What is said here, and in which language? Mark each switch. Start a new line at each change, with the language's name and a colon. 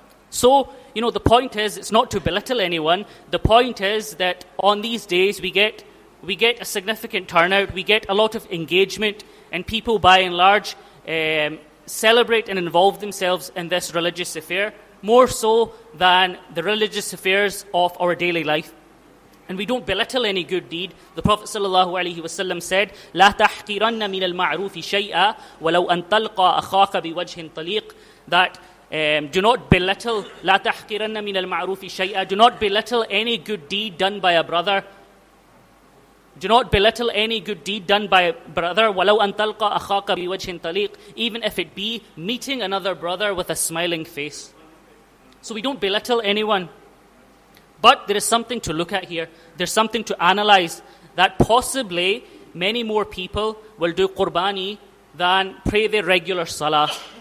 English: So, you know, the point is, it's not to belittle anyone. The point is that on these days we get a significant turnout, we get a lot of engagement, and people by and large celebrate and involve themselves in this religious affair, more so than the religious affairs of our daily life. And we don't belittle any good deed. The Prophet sallallahu alaihi wasallam said,
Arabic: لا تحقرن من المعروف شيئا ولو أن تلقى أخاك بوجه طليق.
English: That do not belittle,
Arabic: لا تحقرن من المعروف شيئا.
English: Do not belittle any good deed done by a brother. Do not belittle any good deed done by a brother.
Arabic: ولو أن تلقى أخاك بوجه طليق.
English: Even if it be meeting another brother with a smiling face. So we don't belittle anyone. But there is something to look at here. There's something to analyze, that possibly many more people will do qurbani than pray their regular salah.